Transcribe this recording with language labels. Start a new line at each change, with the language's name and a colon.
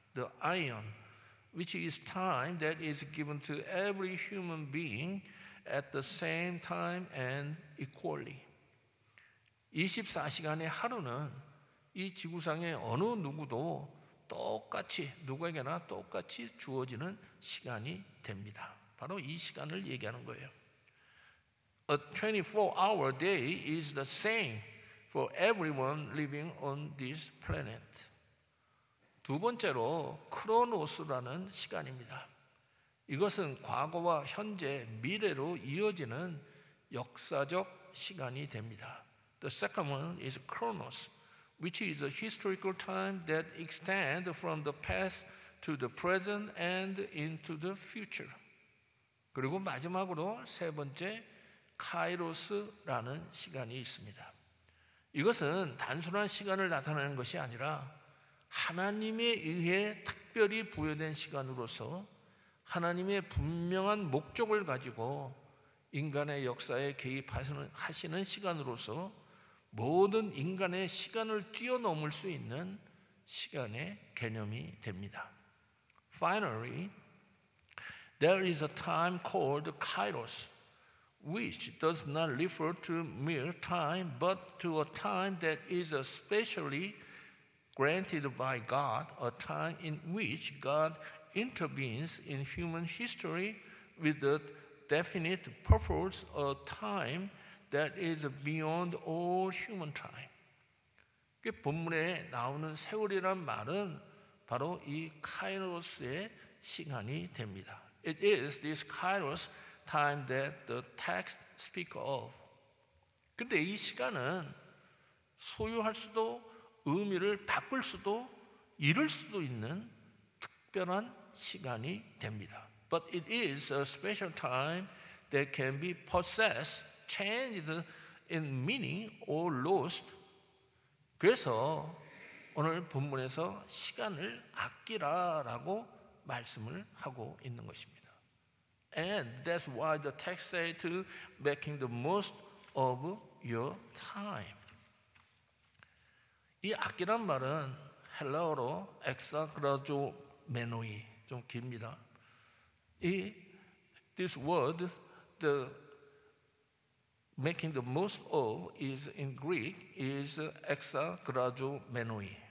English: The aeon, which is time that is given to every human being at the same time and equally.
Korean: 24시간의 하루는 이 지구상의 어느 누구도 똑같이 누구에게나 똑같이 주어지는 시간이 됩니다. 바로 이 시간을 얘기하는 거예요.
English: A 24-hour day is the same for everyone living on this planet.
Korean: 두 번째로 크로노스라는 시간입니다. 이것은 과거와 현재, 미래로 이어지는 역사적 시간이 됩니다.
English: The second one is Chronos, which is a historical time that extends from the past to the present and into the future.
Korean: 그리고 마지막으로 세 번째 카이로스라는 시간이 있습니다. 이것은 단순한 시간을 나타내는 것이 아니라 하나님에 의해 특별히 부여된 시간으로서 하나님의 분명한 목적을 가지고 인간의 역사에 개입하시는 시간으로서 모든 인간의 시간을 뛰어넘을 수 있는 시간의 개념이 됩니다.
English: Finally, there is a time called Kairos, which does not refer to mere time, but to a time that is especially granted by God, a time in which God intervenes in human history with a definite purpose, a time that is beyond all human time.
Korean: 본문에 나오는 세월이란 말은 바로 이 카이로스의 시간이 됩니다.
English: It is this Kairos time that the text speaks of.
Korean: 근데 이 시간은 소유할 수도 의미를 바꿀 수도 잃을 수도 있는 특별한 시간이 됩니다.
English: But it is a special time that can be possessed, changed in meaning or lost.
Korean: 그래서 오늘 본문에서 시간을 아끼라라고 말씀을 하고 있는 것입니다.
English: And that's why the text says to making the most of your time.
Korean: 이 아끼란 말은 헬라어로 exagrazomenoi 좀 깁니다. 이
English: this word the making the most of is in Greek is exagrazomenoi.